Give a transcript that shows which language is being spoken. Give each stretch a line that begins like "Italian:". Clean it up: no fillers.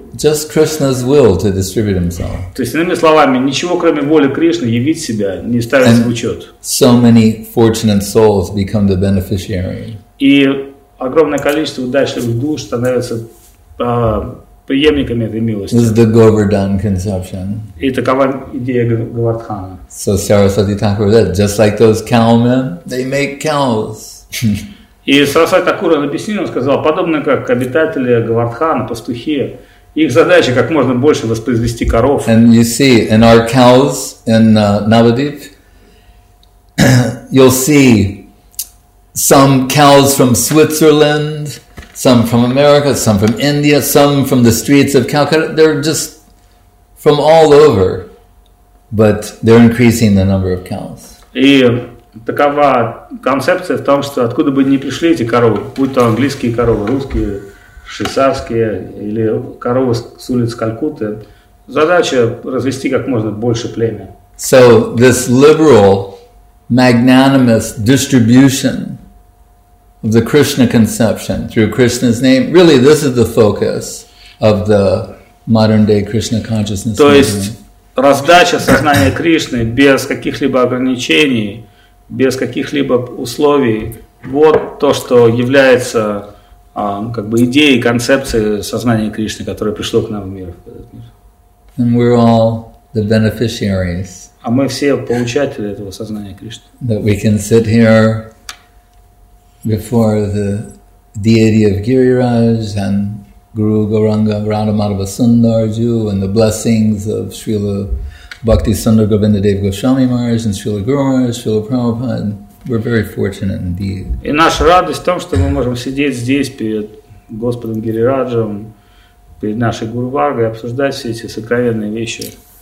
English: Just Krishna's will to distribute himself.
Russian: То есть, иными словами, ничего, кроме воли Кришны, явить себя, не ставится в учет.
English: So many fortunate souls become the beneficiary.
Russian: И огромное количество удачливых душ становится преемниками этой милости.
English: This is the Govardhan conception.
Russian: И такова идея Говардхана.
English: So Sarasvati Thakur said, just like those cowmen, they make cows.
Russian: И Сарасвати Такур объяснил, он сказал, подобно как обитатели Говардхана, пастухи, их задача как можно больше воспроизвести коров.
English: And you see, in our cows in Navadvip, you'll see some cows from Switzerland, some from America, some from India, some from the streets of Calcutta. They're just from all over, but they're increasing the number of cows.
Russian: И такова концепция в том, что откуда бы ни пришли эти коровы, будь то английские коровы, русские, швейцарские или коровы с улиц Калькутты, задача развести как можно больше племя.
English: So this liberal, magnanimous distribution of the Krishna conception through Krishna's name, really this is the focus of the modern day Krishna consciousness.
Russian: То есть раздача сознания Кришны без каких-либо ограничений, без каких-либо условий, вот то, что является как бы идеей, концепцией сознания Кришны, которое пришло к нам в мир.
English: And we're all the beneficiaries.
Russian: А мы все получатели этого сознания Кришны.
English: That we can sit here before the deity of Giriraj and Guru Gauranga Radha Madhava Sundarju and the blessings of Srila Bhakti Sundar Govinda Dev Goswami Maharaj and Srila Guru Maharaj, Srila Prabhupada, we're very fortunate indeed.
Russian: И наша радость в том, что мы можем сидеть здесь перед Господом Гирираджем, перед нашей Гуру Варгой, обсуждать все эти сокровенные вещи.